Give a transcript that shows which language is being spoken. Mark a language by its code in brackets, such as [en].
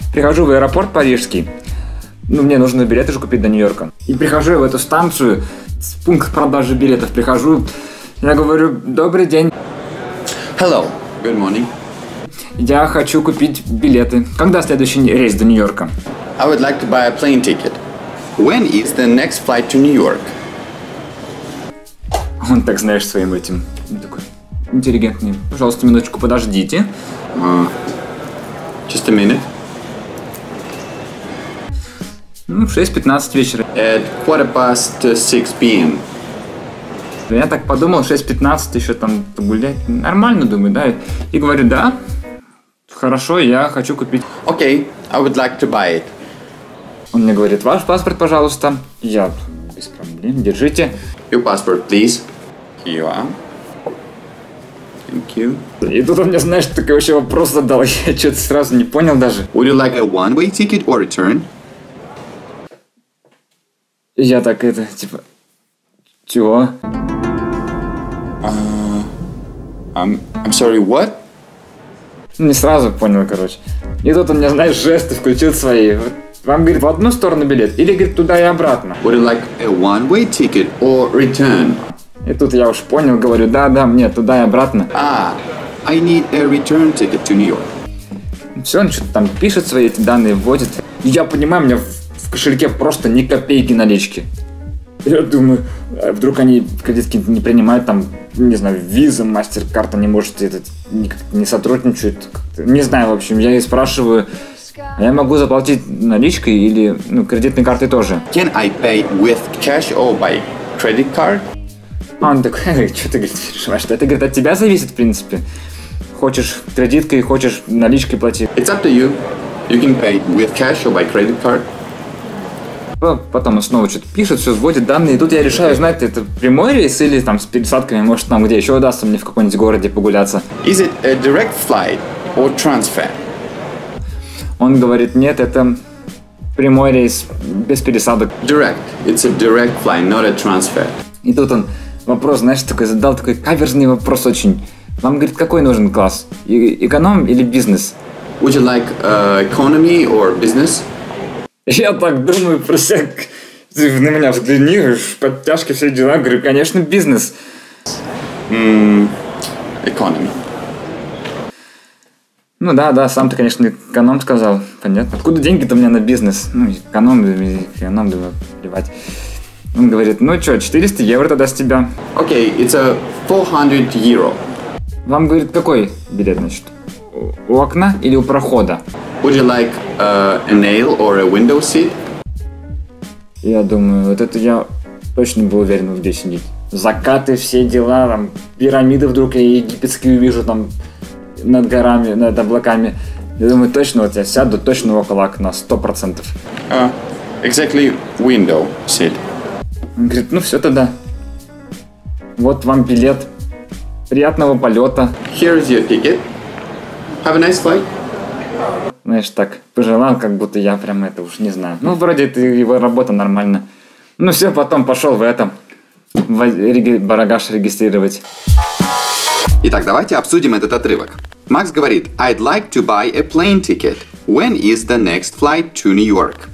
[ru] Прихожу в аэропорт парижский. Ну, мне нужно билет уже купить до Нью-Йорка. И прихожу я в эту станцию, с пункт продажи билетов. Прихожу, я говорю, добрый день. [en] Hello. Good morning. [ru] Я хочу купить билеты. Когда следующий рейс до Нью-Йорка? [en] I would like to buy a plane ticket. When is the next flight to New York? [ru] Он так, знаешь, своим этим. Он такой интеллигентный. Пожалуйста, минуточку подождите. [en] Just a minute. [ru] Ну, 6:15 вечера. [en] At quarter past 6 p.m. [ru] Я так подумал, 6:15 еще там погулять. Нормально, думаю, да? И говорю, да. Хорошо, я хочу купить. [en] Окей, I would like to buy it. [ru] Он мне говорит, ваш паспорт, пожалуйста. Я без проблем, держите. [en] Your passport, please. Here you are. Thank you. [ru] И тут он мне, знаешь, такой вообще вопрос задал. Я что-то сразу не понял даже. [en] Would you like a one-way ticket or return? [ru] Я так это, типа... Чего? [en] I'm sorry, what? [ru] Не сразу понял, короче. И тут он мне, знаешь, жесты включил свои. Вам, говорит, в одну сторону билет или, говорит, туда и обратно. [en] Would you like a one-way ticket or return? [ru] И тут я уж понял, говорю, да-да, мне туда и обратно. [en] I need a return ticket to New York. [ru] Все, он что-то там пишет свои эти данные, вводит. И я понимаю, у меня в кошельке просто ни копейки налички. Я думаю, вдруг они кредитки не принимают, там, не знаю, виза, мастер-карта не может, этот, не сотрудничают, не знаю, в общем, я и спрашиваю, а я могу заплатить наличкой или, ну, кредитной картой тоже? [en] Can I pay with cash or by credit card? [ru] А он такой, что ты, говорит, переживаешь, это, говорит, от тебя зависит, в принципе, хочешь кредиткой, хочешь наличкой платить. [en] It's up to you, you can pay with cash or by credit card. [ru] потом он снова что-то пишет, все вводит данные. И тут я решаю, знаете, это прямой рейс или там с пересадками, может, там где еще удастся мне в каком-нибудь городе погуляться. [en] Is it a direct flight or transfer? [ru] Он говорит, нет, это прямой рейс, без пересадок. [en] Direct. It's a direct flight, not a transfer. [ru] И тут он вопрос, знаешь, такой задал, такой каверзный вопрос очень. Вам, говорит, какой нужен класс? Эконом или бизнес? [en] Would you like economy or business? [ru] Я так думаю, просяк. Ты на меня взгляни, подтяжки, все дела. Говорю, конечно, бизнес. [en] Economy. [ru] Ну да, да, сам ты, конечно, эконом сказал. Понятно. Откуда деньги-то у меня на бизнес? Ну, эконом, да, плевать. Он говорит, ну что, 400 евро тогда с тебя. [en] Окей, okay, it's a 400 euro. [ru] Вам, говорит, какой билет, значит? У окна или у прохода? [en] Would you like a nail or a window seat? [ru] Я думаю, вот это я точно был уверен, где сидеть. Закаты, все дела, там, пирамиды вдруг я египетские увижу там над горами, над облаками. Я думаю, точно вот я сяду, точно около окна, 100%. [en] Exactly window seat. [ru] Он говорит, ну все тогда. Вот вам билет. Приятного полета. [en] Here is your ticket. Have a nice flight. [ru] Знаешь, так, пожелал, как будто я прям это уж не знаю. Ну, вроде это его работа нормально. Ну все, потом пошел в этом. Багаж регистрировать. Итак, давайте обсудим этот отрывок. Макс говорит, [en] I'd like to buy a plane ticket. When is the next flight to New York?